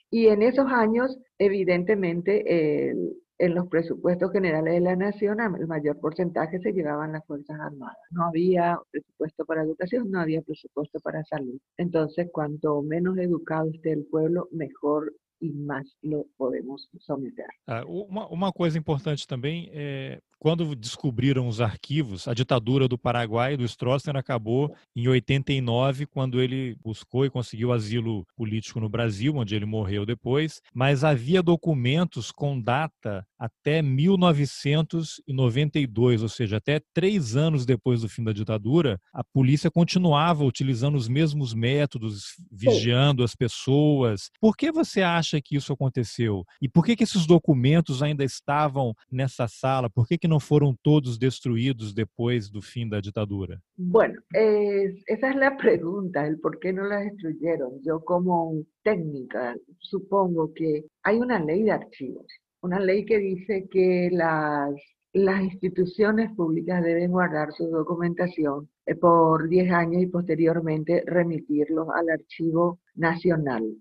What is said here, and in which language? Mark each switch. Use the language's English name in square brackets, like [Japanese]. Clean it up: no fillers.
[Spanish] Y en esos años, evidentemente, en los presupuestos generales de la nación, el mayor porcentaje se llevaban las Fuerzas Armadas. No había presupuesto para educación, no había presupuesto para salud. Entonces, cuanto menos educado esté el pueblo, mejor y más lo podemos someter. Una cosa importante también es, [Portuguese] quando descobriram os arquivos, a ditadura do Paraguai, do Stroessner, acabou em 89, quando ele buscou e conseguiu asilo político no Brasil, onde ele morreu depois. Mas havia documentos com data até 1992, ou seja, até 3 anos depois do fim da ditadura, a polícia continuava utilizando os mesmos métodos, vigiando as pessoas. Por que você acha acha que isso aconteceu? E por que que esses documentos ainda estavam nessa sala? Por que que não foram todos destruídos depois do fim da ditadura? [Spanish] Bueno, esa es la pregunta, el por qué no las destruyeron. Yo como técnica supongo que hay una ley de archivos, una ley que dice que las instituciones públicas deben guardar su documentación por 10 años y posteriormente remitirlos al Archivo Nacional.